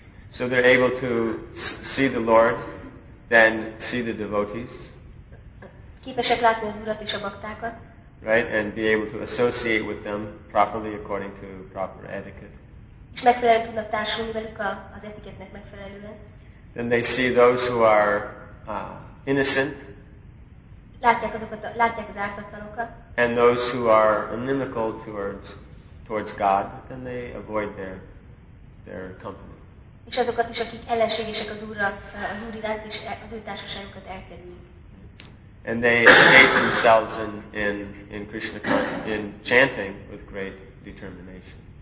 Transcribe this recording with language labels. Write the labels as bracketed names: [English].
[English] So they're able to see the Lord, then see the devotees. [Hungarian] Képesek látni az Urat és a baktákat. [English] Right, and be able to associate with them properly according to proper etiquette. [Hungarian] És megfelelően tudnak társulni velük az etiketnek megfelelően. [English] Then they see those who are innocent. [Hungarian] Látják az ártatlanokat. [English] And those who are inimical towards God, then they avoid their company. [Hungarian] És azokat is, akik ellenségesek az Úrra, az Úr iránt, és az Ő társaságukat elkerüljük. [English] And they engage themselves in Krishna in chanting with great determination.